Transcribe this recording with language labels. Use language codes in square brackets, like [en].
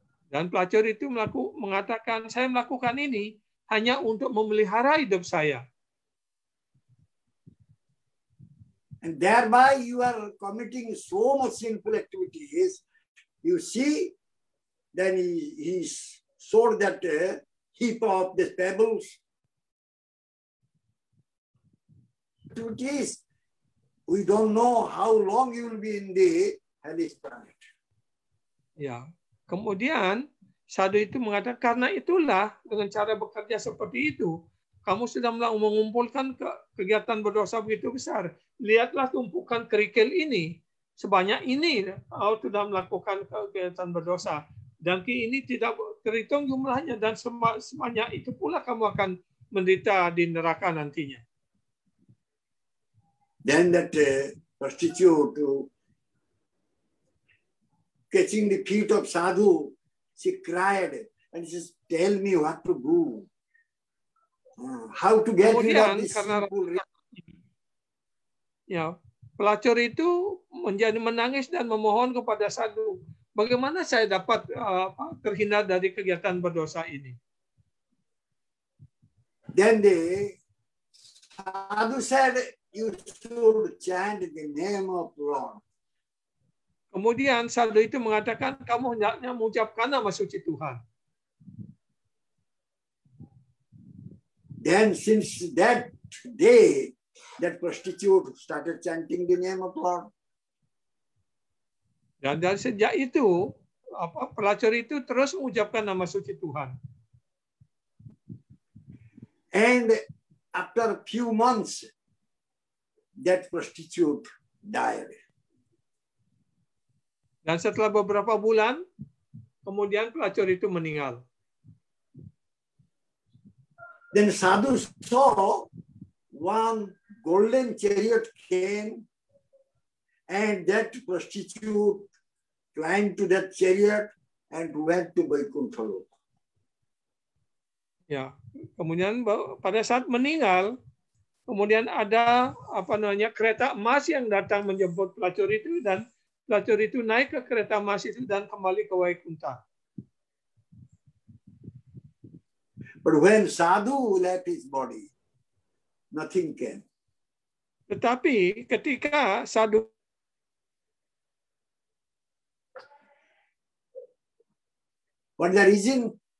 [id] Dan pelacur itu mengatakan, "Saya melakukan ini hanya untuk memelihara hidup saya." [en] And thereby you are committing so much sinful activities. You see, then he sold that heap of the pebbles. Activities. We don't know how long you will be in the hellish planet. [id] Ya. Kemudian sadhu itu mengatakan, "Karena itulah dengan cara bekerja seperti itu, kamu sudah mengumpulkan kegiatan berdosa begitu besar. Lihatlah tumpukan kerikil ini. Sebanyak ini kau sudah melakukan kegiatan berdosa. Dan ini tidak terhitung jumlahnya. Dan sebanyak itu pula kamu akan menderita di neraka nantinya." [en] then that prostitute catching the feet of sadhu, she cried and she says, tell me what to do. How to get rid of this simple. [id] Ya, pelacur itu menjadi menangis dan memohon kepada sadhu, bagaimana saya dapat terhindar dari kegiatan berdosa ini? [en] Then the sadhu said, you should chant the name of Lord. [id] Kemudian sadhu itu mengatakan, kamu hendaknya mengucapkan nama suci Tuhan. [en] Then since that day, that prostitute started chanting the name of Lord. [id] Dan dari sejak itu, apa pelacur itu terus mengucapkan nama suci Tuhan. [en] And after a few months, that prostitute died. [id] Dan setelah beberapa bulan, kemudian pelacur itu meninggal. [en] Then sadhu saw one golden chariot came, and that prostitute climbed to that chariot and went to Vaikuntha Loka. [id] Ya, kemudian pada saat meninggal, kemudian ada apa namanya kereta emas yang datang menjemput pelacur itu, dan pelacur itu naik ke kereta emas itu dan kembali ke Vaikuntha. [en] But when sadhu left his body, nothing came. [id] Tetapi ketika sadhu [en] what the reason?